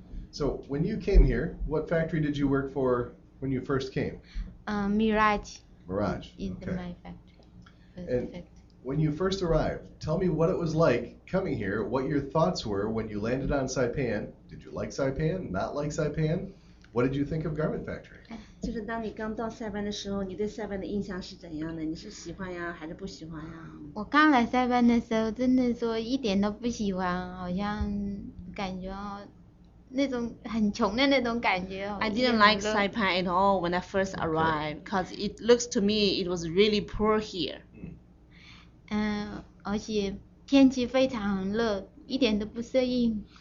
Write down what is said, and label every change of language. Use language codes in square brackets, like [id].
[en] So when you came here, what factory did you work for when you first came? Mirage. Mirage, okay. It's my factory. When you first arrived, tell me what it was like coming here, what your thoughts were when you landed on Saipan. Did you like Saipan, not like Saipan? What did you think of garment factory? [zh] 就是当你刚到塞班的时候，你对塞班的印象是怎样的？你是喜欢呀，还是不喜欢呀？我刚来塞班的时候，真的说一点都不喜欢，好像感觉那种很穷的那种感觉。 [en] I didn't like Saipan at all when I first arrived, because it looks to me it was really poor here. [zh] 而且天气非常热，一点都不适应。